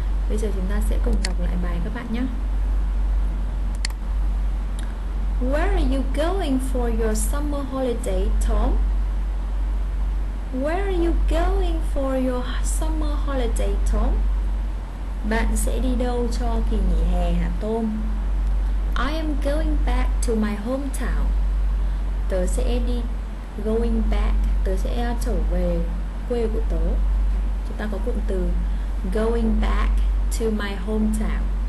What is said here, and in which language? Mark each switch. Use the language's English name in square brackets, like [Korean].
[Vietnamese] Bây giờ chúng ta sẽ cùng đọc lại bài các bạn nhé. [English] Where are you going for your summer holiday, Tom? Where are you going for your summer holiday, Tom? [Vietnamese] Bạn sẽ đi đâu cho kỳ nghỉ hè hả Tom? [English] I am going back to my hometown. [Vietnamese] Tớ sẽ đi [English] going back. [Vietnamese] Tớ sẽ trở về quê của tớ. Chúng ta có cụm từ [English] going back to my hometown.